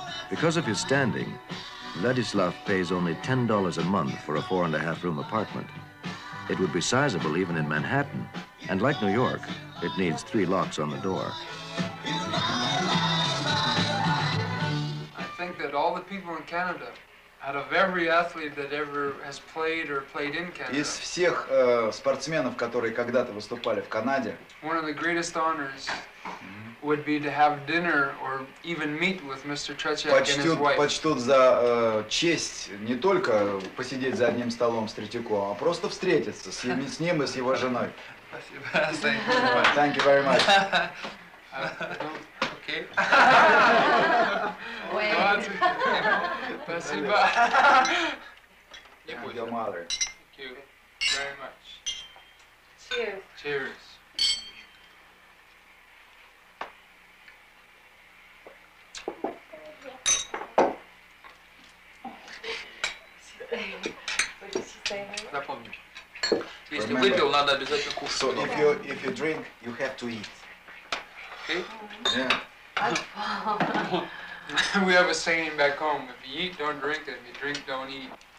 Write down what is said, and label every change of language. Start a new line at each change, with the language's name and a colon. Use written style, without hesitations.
English: Because of his standing, Vladislav pays only $10 a month for a 4.5-room apartment. It would be sizable even in Manhattan, and like New York, it needs 3 locks on the door. I think that all the people in Canada, out of every athlete that ever has played or played in Canada.
Russian: Из всех спортсменов, которые когда-то выступали в Канаде.
English: One of the greatest honors would be to have dinner or even meet with Mr. Tretyak and his wife.
Russian: Почтут за честь не только посидеть за одним столом с Третьяком, а просто встретиться с ним и с его женой. Спасибо.
English: Thank you very much. And your mother. Thank you very much. Cheers. Cheers.
Russian: Запомните. Если выпил, надо обязательно кушать.
English: So if you drink, you have to eat. Okay? Yeah. We have a saying back home: if you eat, don't drink, and if you drink, don't eat.